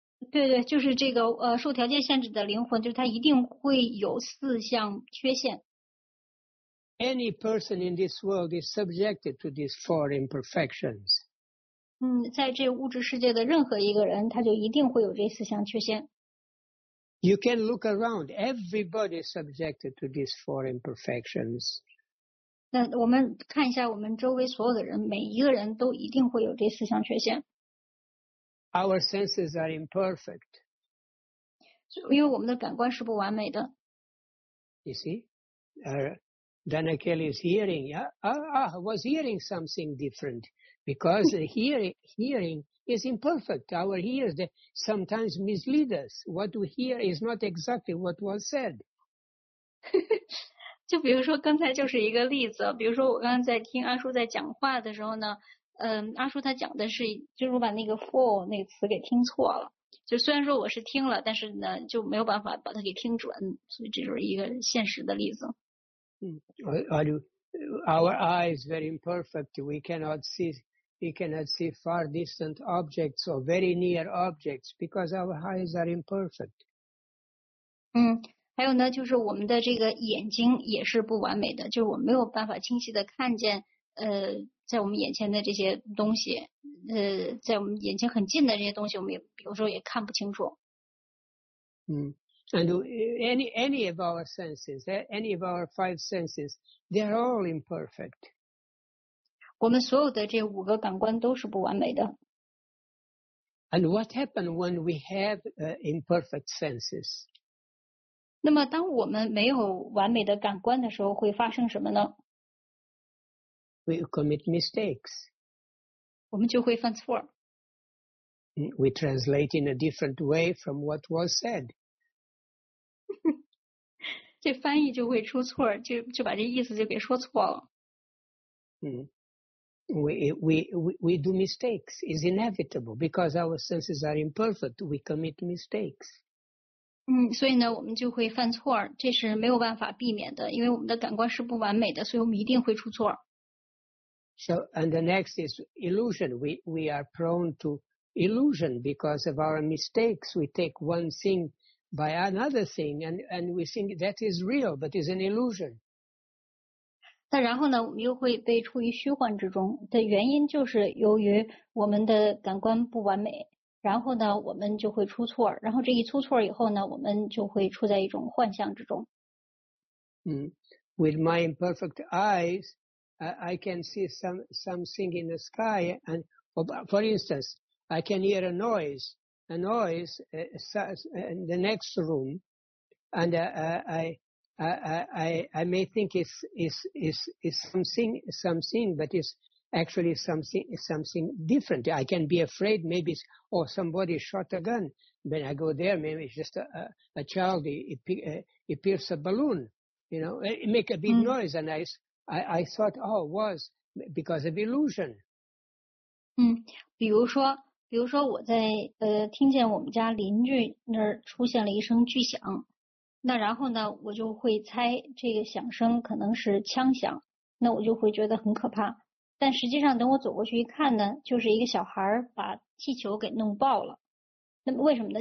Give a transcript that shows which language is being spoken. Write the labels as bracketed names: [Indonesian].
[Chinese] 对对，就是这个受条件限制的灵魂，就是它一定会有四项缺陷。 [English] Any person in this world is subjected to these four imperfections. [Chinese] 在这物质世界的任何一个人，他就一定会有这四项缺陷。 [English] You can look around. Everybody is subjected to these four imperfections. [Chinese] 那我们看一下我们周围所有的人，每一个人都一定会有这四项缺陷。 [English] Our senses are imperfect. [Chinese] 因为我们的感官是不完美的。 [English] You see, Danakeli is hearing. Was hearing something different because hearing. Is imperfect. Our ears sometimes mislead us. What we hear is not exactly what was said. [Chinese] 就比如说刚才就是一个例子，比如说我刚刚在听阿叔在讲话的时候呢，阿叔他讲的是，就是我把那个 fall 那个词给听错了。就虽然说我是听了，但是呢就没有办法把它给听准，所以这就是一个现实的例子。 [English] Our eyes very imperfect. We cannot see. We cannot see far distant objects or very near objects because our eyes are imperfect. [Chinese] 还有呢，就是我们的这个眼睛也是不完美的，就是我没有办法清晰的看见，在我们眼前的这些东西，在我们眼前很近的这些东西，我们也比如说也看不清楚。 [English] And any of our senses, any of our five senses, they are all imperfect. [Chinese] 我们所有的这五个感官都是不完美的。 [English] And what happens when we have imperfect senses? [Chinese] 那么当我们没有完美的感官的时候会发生什么呢？ [English] We commit mistakes. [Chinese] 我们就会犯错。 [English] We translate in a different way from what was said. [Chinese] 这翻译就会出错， 就把这意思就给说错了。 [English] We do mistakes. It's inevitable because our senses are imperfect. We commit mistakes. [Chinese] 所以呢，我们就会犯错，这是没有办法避免的，因为我们的感官是不完美的，所以我们一定会出错。 [English] So, and the next is illusion. We are prone to illusion because of our mistakes. We take one thing by another thing, and we think that is real, but is an illusion. [Chinese] 但然后呢，我们又会被处于虚幻之中的原因就是由于我们的感官不完美，然后呢我们就会出错，然后这一出错以后呢我们就会处在一种幻象之中。 [English] With my imperfect eyes, I can see something in the sky, and for instance, I can hear a noise, a noise in the next room, and I may think it's something, but it's actually something different. I can be afraid, maybe, or somebody shot a gun. When I go there, maybe it's just a child, he pierced a balloon, you know, it make a big noise, and I thought, oh, it was because of illusion. [Chinese] 比如说我在听见我们家邻居那儿出现了一声巨响，那然后呢，我就会猜这个响声可能是枪响，那我就会觉得很可怕。但实际上等我走过去一看呢，就是一个小孩把气球给弄爆了。那么为什么呢？